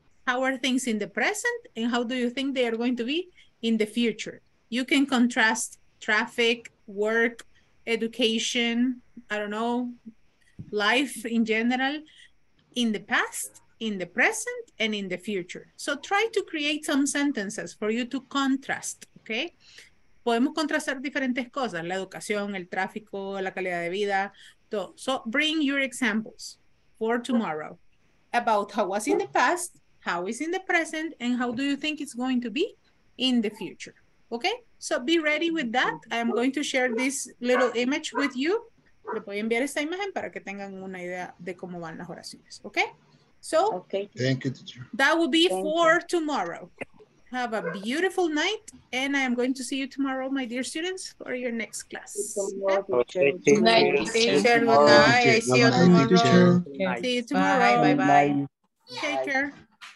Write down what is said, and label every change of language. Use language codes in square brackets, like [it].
[en] How are things in the present, and how do you think they are going to be in the future? You can contrast traffic, work, education, I don't know, life in general, in the past, in the present, and in the future. So try to create some sentences for you to contrast, okay? [es] Podemos contrastar diferentes cosas, la educación, el tráfico, la calidad de vida. [en] So bring your examples for tomorrow about how was in the past, how is in the present, and how do you think it's going to be in the future, okay? So be ready with that. I'm going to share this little image with you. [es] Le voy a enviar esta imagen para que tengan una idea de cómo van las oraciones, okay? [en] So, okay. Thank you, teacher. That will be for tomorrow. Have a beautiful night, and I am going to see you tomorrow, my dear students, for your next class. Good night, teacher. Good night. I see you tomorrow. See you tomorrow. Bye-bye. Take care.